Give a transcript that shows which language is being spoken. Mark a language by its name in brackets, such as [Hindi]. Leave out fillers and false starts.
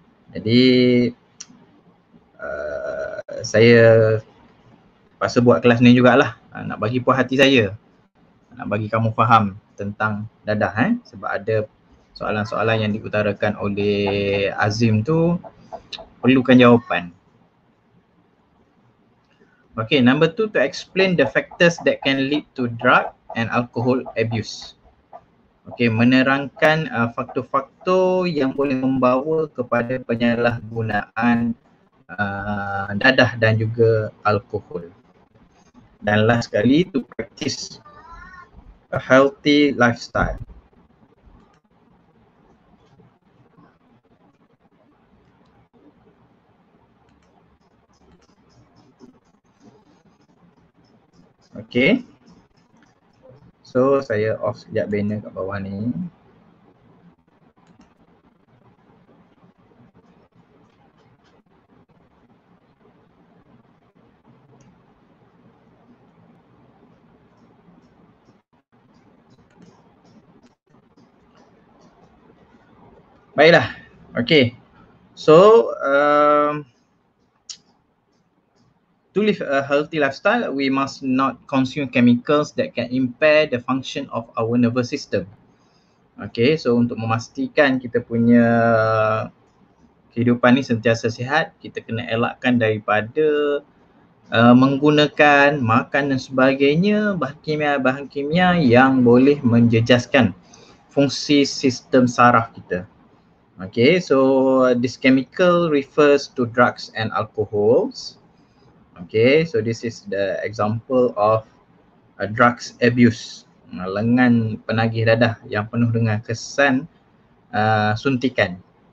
[Malay] Jadi saya pasal buat kelas ni jugalah, nak bagi puas hati saya, nak bagi kamu faham tentang dadah. Sebab ada soalan-soalan yang diutarakan oleh Azim tu perlukan jawapan. [English] Okay, number two, to explain the factors that can lead to drug and alcohol abuse. [Malay] Okay, menerangkan faktor-faktor yang boleh membawa kepada penyalahgunaan dadah dan juga alkohol. Dan last sekali, [English] to practice a healthy lifestyle. [Malay] Okay. So saya off sekejap banner kat bawah ni. Baiklah. Okay. [English] So, to live a healthy lifestyle, we must not consume chemicals that can impair the function of our nervous system. [Malay] Okay, so untuk memastikan kita punya kehidupan ni sentiasa sihat, kita kena elakkan daripada menggunakan makan dan sebagainya, bahan kimia yang boleh menjejaskan fungsi sistem saraf kita. [English] Okay, so this chemical refers to drugs and alcohols. Okay, so this is the example of a drugs abuse. [Malay] Lengan penagih dadah yang penuh dengan kesan suntikan.